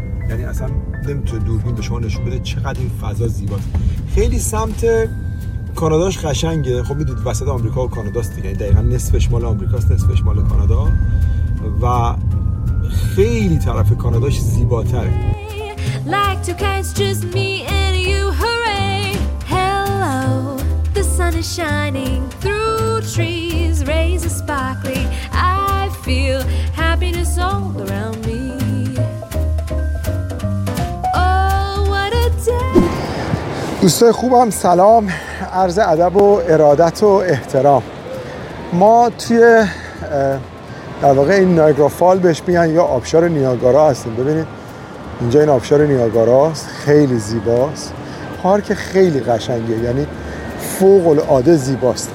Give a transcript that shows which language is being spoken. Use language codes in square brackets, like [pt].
[fa] یعنی اصلا نمیتونه دوربین به شما نشون بده چقدر این فضا زیباست. خیلی سمت کاناداش قشنگه. خب میدونید وسط آمریکا و کانادا است دیگه، دقیقاً نصفش مال آمریکا است، نصفش مال کانادا، و خیلی طرف کاناداش زیباتره. [en] Like to catch just me and you, hooray. Hello, the sun is shining through trees, rays are sparkling. I feel happiness all around me. Oh, what a day. [fa] دوستای خوبم سلام، عرض ادب و ارادت و احترام. ما توی در واقع این نیاگارا فال بهش میگن یا آبشار نیاگارا هستیم. ببینید اینجا این آبشار نیاگارا است، خیلی زیباست، پارک خیلی قشنگه، یعنی فوق العاده زیباست.